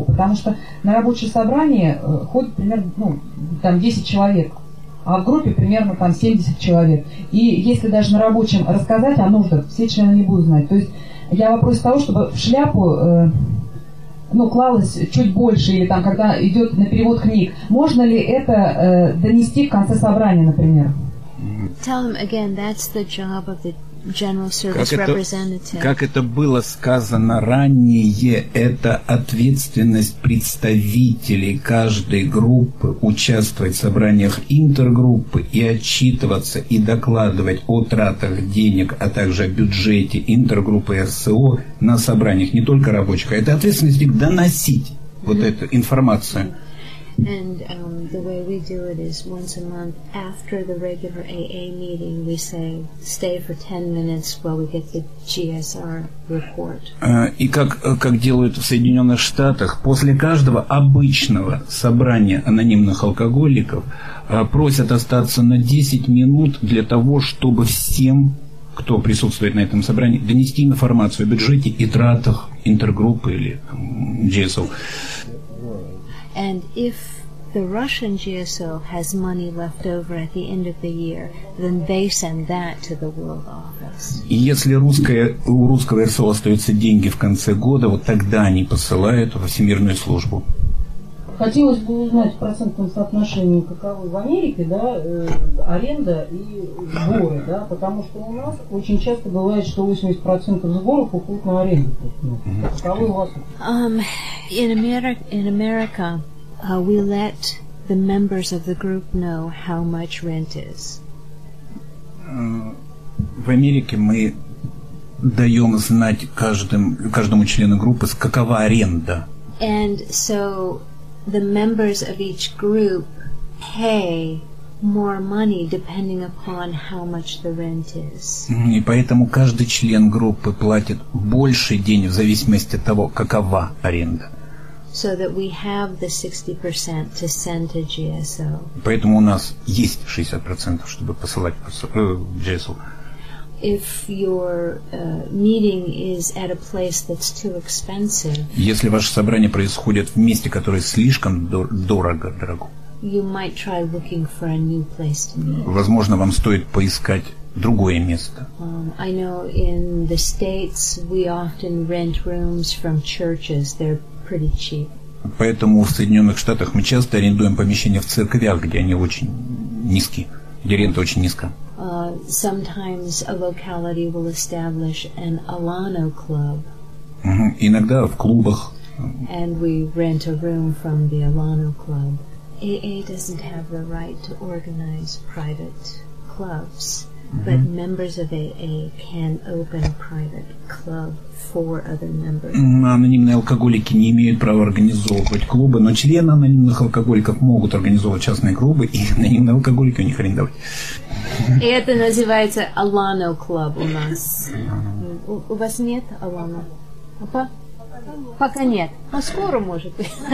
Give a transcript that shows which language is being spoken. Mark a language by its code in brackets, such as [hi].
[ru] Потому что на рабочее собрание ходит примерно там 10 человек, а в группе примерно там 70 человек. И если даже на рабочем рассказать о нуждах, все члены не будут знать. То есть я вопрос того, чтобы в шляпу клалось чуть больше, или там, когда идет на перевод книг. Можно ли это донести в конце собрания, например? [en] Tell them again, that's the job of the, General Service Representative. [ru] Как это было сказано ранее, это ответственность представителей каждой группы участвовать в собраниях интергруппы и отчитываться и докладывать о тратах денег, а также о бюджете интергруппы РСО на собраниях, не только рабочих. Это ответственность их доносить вот эту информацию. [en] And the way we do it is once a month after the regular AA meeting, we say, stay for 10 minutes while we get the GSR report. [ru] И как делают в Соединенных Штатах, после каждого обычного собрания анонимных алкоголиков просят остаться на 10 минут для того, чтобы всем, кто присутствует на этом собрании, донести информацию о бюджете и тратах интергруппы или GSO. [en] And if the Russian GSO has money left over at the end of the year, then they send that to the World Office. [ru] Если у русского РСО остаются деньги в конце года, вот тогда они посылают во Всемирную службу. Хотелось бы узнать в процентном соотношении, каковы в Америке, да, аренда и сборы, да, потому что у нас очень часто бывает, что 80% сборов уходит на аренду. Каковы у вас? [en] In America, we let the members of the group know how much rent is. [ru] В Америке мы даем знать каждому члену группы, какова аренда. [en] And so the members of each group pay more money depending upon how much the rent is. [ru] И поэтому каждый член группы платит больше денег в зависимости от того, какова аренда. [en] So that we have the 60% to send to GSO. [ru] Поэтому у нас есть 60%, чтобы посылать GSO. [en] If your meeting is at a place that's too expensive. [ru] Если ваше собрание происходит в месте, которое слишком дорого. [en] You might try looking for a new place to meet. [ru] Возможно, вам стоит поискать другое место. [en] I know in the States we often rent rooms from churches. They're pretty cheap. [ru] Поэтому в Соединенных Штатах мы часто арендуем помещения в церквях, где они очень низкие, где рента очень низкая. [en] Sometimes a locality will establish an Alano club. [ru] Иногда в клубах. [en] And we rent a room from the Alano club. AA doesn't have the right to organize private clubs, but members of AA can open a private club for other members. [ru] Анонимные алкоголики не имеют права организовывать клубы, но члены анонимных алкоголиков могут организовывать частные клубы и анонимные алкоголики у них арендовать. Это называется Alano club у нас. У вас нет Alano? Пока нет. Но скоро, может быть.